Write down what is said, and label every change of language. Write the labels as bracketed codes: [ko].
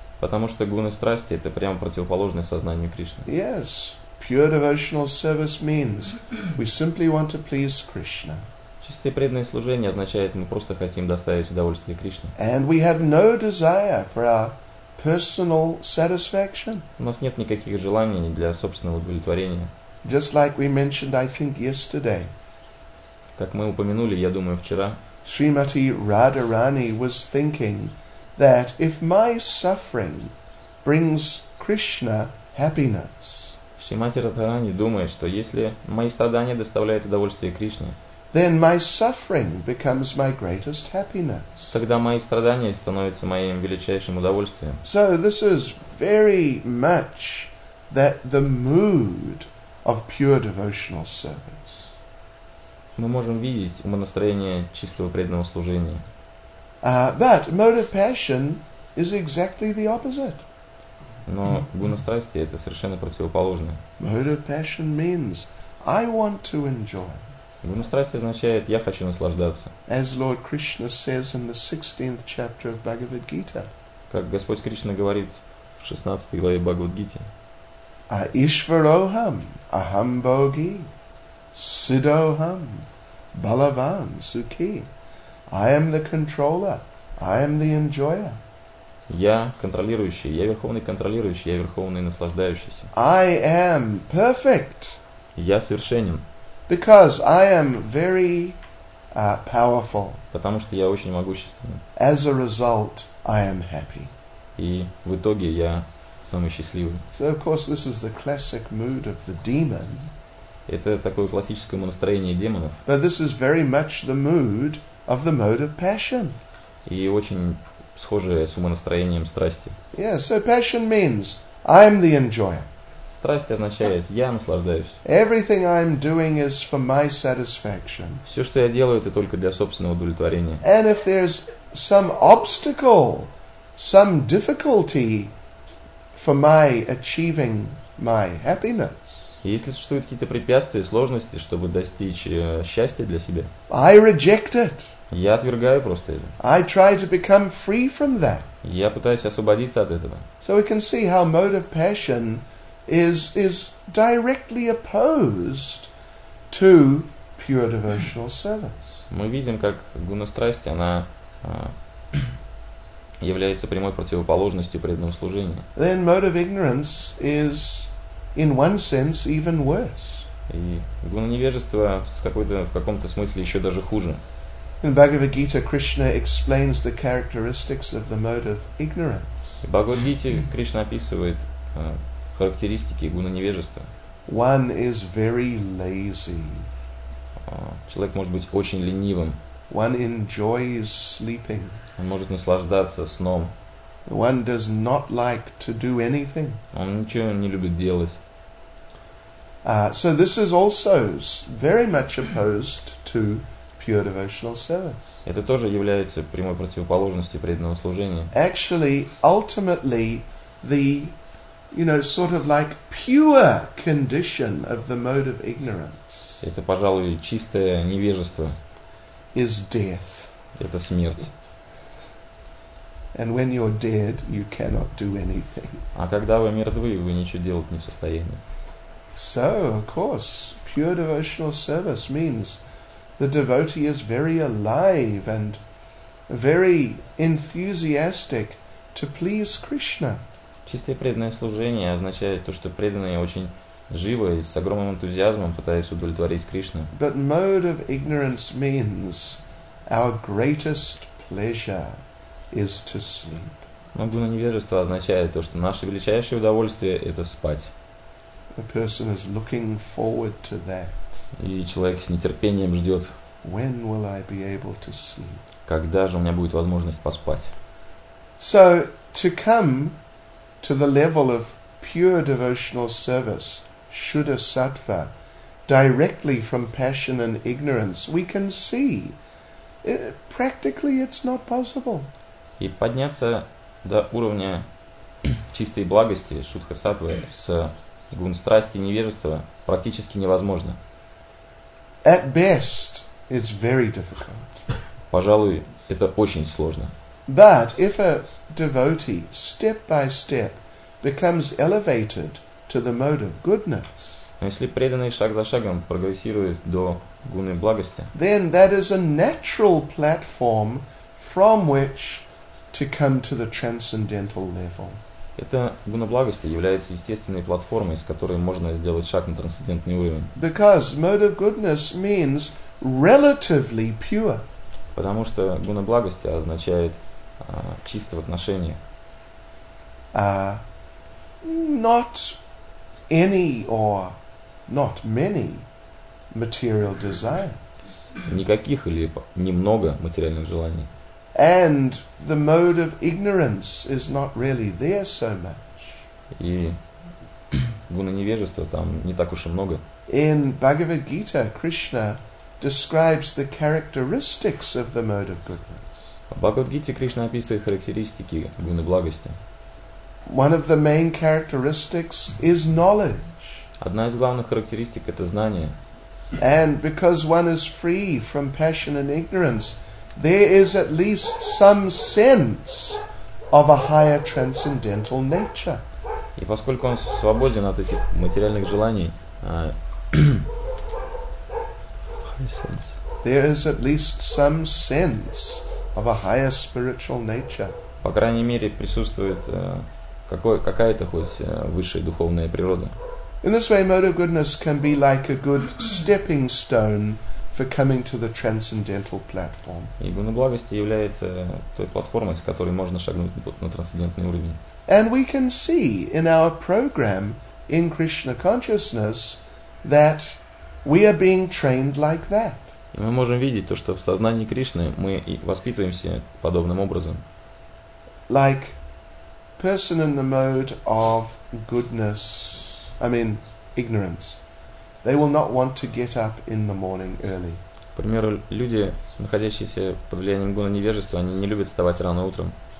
[ru] потому что гуны страсти — это прямо противоположное сознанию Кришны. [en] Yes. Pure devotional service means we simply want to please Krishna. [ru] Чистое преданное служение означает, мы просто хотим доставить удовольствие Кришне. [en] And we have no desire for our personal satisfaction. [ru] У нас нет никаких желаний для собственного удовлетворения. [en] Just like we mentioned, I think, yesterday. [ru] Как мы упомянули, я думаю, вчера. [en] Shrimati Radharani was thinking that if my suffering brings Krishna happiness, [ru] Шримати Радхарани думает, что если мои страдания доставляют удовольствие Кришне, [en] then my suffering becomes my greatest happiness. [ru] Тогда мои страдания становятся моим величайшим удовольствием. [en] So this is very much that the mood of pure devotional service. [ru] Мы можем видеть настроение чистого преданного служения. [en] But mode of passion is exactly the opposite. [ru] Но гуна страсти — это совершенно противоположное. [en] Mode of passion means I want to enjoy. [ru] Гуна страсти означает, я хочу наслаждаться. [en] As Lord Krishna says in the 16th chapter of Bhagavad Gita. [ru] Как Господь Кришна говорит в 16 главе Бхагавад Гиты. [sa] Аишвароham aham bhogi siddoham balavan sukhi. [en] I am the controller, I am the enjoyer. [ru] Я контролирующий, я верховный контролирующий, я верховный наслаждающийся. [en] I am perfect. [ru] Я совершенен. [en] Because I am very powerful. [ru] Потому что я очень могущественный. [en] As a result, I am happy. [ru] И в итоге я самый счастливый. [en] So of course this is the classic mood of the demon. [ru] Это такое классическое настроение демонов. [en] But this is very much the mood of the mode of passion. [ru] И очень схожее с умонастроением страсти. [en] Yeah, so passion means I'm the enjoyer. [ru] Страсть означает, я наслаждаюсь. [en] Everything I'm doing is for my satisfaction. [ru] Все, что я делаю, это только для собственного удовлетворения. [en] And if there's some obstacle, some difficulty for my achieving my happiness. [ru] И если существуют какие-то препятствия, сложности, чтобы достичь счастья для себя, [en] I reject it. [ru] Я отвергаю просто это. [en] I try to become free from that. [ru] Я пытаюсь освободиться от этого. [en] So we can see how motive passion is directly opposed to pure devotional service. [ru] Мы видим, как гуна страсти, она является прямой противоположностью преданному служению. [en] Then motive ignorance is in one sense even worse. [ru] И гуна невежества в каком-то смысле еще даже хуже. [en] In Bhagavad Gita, Krishna explains the characteristics of the mode of ignorance. [ru] В Бхагавад Гите Кришна описывает характеристики гуны невежества. [en] One is very lazy. [ru] Человек может быть очень ленивым. [en] One enjoys sleeping. [ru] Он может наслаждаться сном. [en] One does not like to do anything. [ru] Он ничего не любит делать. [en] So this is also very much opposed to pure devotional service. [ru] Это тоже является прямой противоположностью преданного служения. [en] Actually, ultimately, the sort of like pure condition of the mode of ignorance. [ru] Это, пожалуй, чистое невежество. [en] Is death. [ru] Это смерть. [en] And when you're dead, you cannot do anything. [ru] А когда вы мертвы, вы ничего делать не в состоянии. [en] So, of course, pure devotional service means the devotee is very alive and very enthusiastic to please Krishna. [ru] Чистое преданное служение означает то, что преданные очень живо и с огромным энтузиазмом пытаются удовлетворить Кришну. [en] But mode of ignorance means our greatest pleasure is to sleep. [ru] Но гуна невежества означает то, что наше величайшее удовольствие – это спать. [en] The person is looking forward to that. [ru] И человек с нетерпением ждет. [en] When will I be able to sleep? [ru] Когда же у меня будет возможность поспать? [en] So to come to the level of pure devotional service, shuddha sattva, directly from passion and ignorance, we can see practically it's not possible. [ru] И подняться до уровня чистой благости, шудха сатвы, с гун страсти и невежества практически невозможно. [en] At best, it's very difficult. [ru] Пожалуй, это очень сложно. [en] But if a devotee step by step becomes elevated to the mode of goodness, [ru] если преданный шаг за шагом прогрессирует до гуны благости, [en] then that is a natural platform from which to come to the transcendental level. [ru] Это гуна благости является естественной платформой, с которой можно сделать шаг на трансцендентный уровень. [en] Because mode of goodness means relatively pure. [ru] Потому что гуна благости означает чисто в отношении. [en] Not any or not many material desires. [ru] Никаких или немного материальных желаний. [en] And the mode of ignorance is not really there so much. [ru] И гуна невежества там не так уж и много. [en] In Bhagavad Gita, Krishna describes the characteristics of the mode of goodness. [ru] В Бхагавад Гите Кришна описывает характеристики гуны благости. [en] One of the main characteristics is knowledge. [ru] Одна из главных характеристик – это знание. [en] And because one is free from passion and ignorance, there is at least some sense of a higher transcendental nature. [ru] И поскольку он свободен от этих материальных желаний, [en] there is at least some sense of a higher spiritual nature. [ru] По крайней мере, присутствует какая-то хоть высшая духовная природа. [en] In this way, mode of goodness can be like a good stepping stone for coming to the transcendental platform. [ru] И гуна благости является той платформой, с которой можно шагнуть на трансцендентный уровень. [en] And we can see in our program in Krishna consciousness that we are being trained like that. [ru] И мы можем видеть то, что в сознании Кришны мы и воспитываемся подобным образом. [en] Like person in the mode of goodness, ignorance. They will not want to get up in the morning early. [ru] К примеру, люди, находящиеся под влиянием гуны невежества, они не любят вставать рано утром.